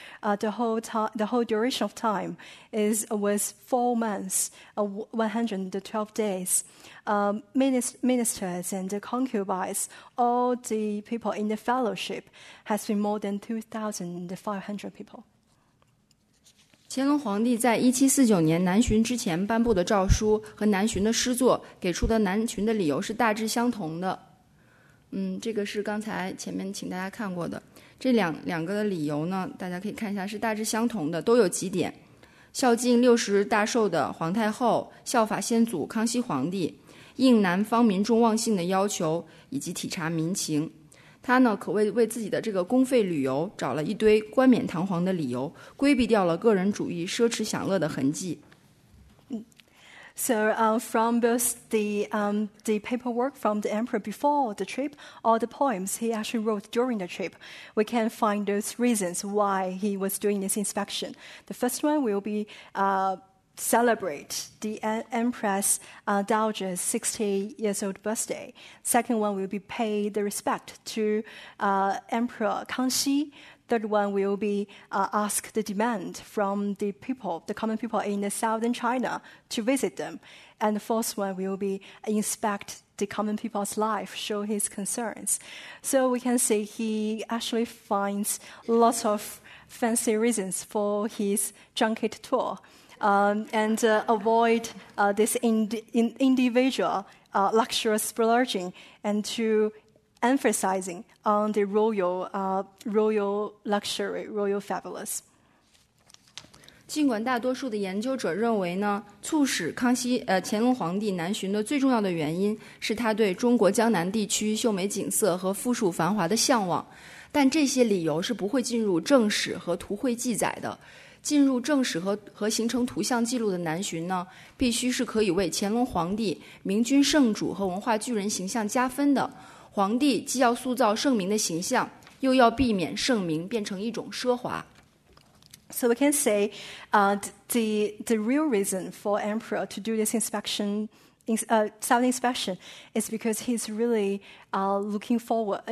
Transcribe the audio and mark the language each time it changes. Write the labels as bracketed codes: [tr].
[en] The whole duration of time was 4 months, 112 days. Ministers and the concubines, all the people in the fellowship, has been more than 2,500 people. [zh] 乾隆皇帝在1749年南巡之前颁布的诏书和南巡的诗作给出的南巡的理由是大致相同的。这个是刚才前面请大家看过的，这两个的理由呢，大家可以看一下，是大致相同的，都有几点：孝敬60大寿的皇太后，效法先祖康熙皇帝，应南方民众旺信的要求，以及体察民情。他呢，可谓为自己的这个公费旅游找了一堆冠冕堂皇的理由，规避掉了个人主义、奢侈享乐的痕迹。 [en] So from both the paperwork from the emperor before the trip, all the poems he actually wrote during the trip, we can find those reasons why he was doing this inspection. The first one will be celebrate the empress dowager's 60-year-old birthday. Second one will be pay the respect to Emperor Kangxi. Third one will be ask the demand from the people, the common people in the southern China to visit them. And the fourth one will be inspect the common people's life, show his concerns. So we can see he actually finds lots of fancy reasons for his junket tour and avoid this individual luxurious splurging and to emphasizing on the royal luxury, royal fabulous. [zh] 尽管大多数的研究者认为呢，促使乾隆皇帝南巡的最重要的原因是他对中国江南地区秀美景色和富庶繁华的向往，但这些理由是不会进入正史和图绘记载的。进入正史和形成图像记录的南巡呢，必须是可以为乾隆皇帝明君圣主和文化巨人形象加分的。皇帝既要塑造圣明的形象，又要避免圣明变成一种奢华。 [en] So we can say, the real reason for emperor to do this inspection, sound inspection, is because he's really looking forward.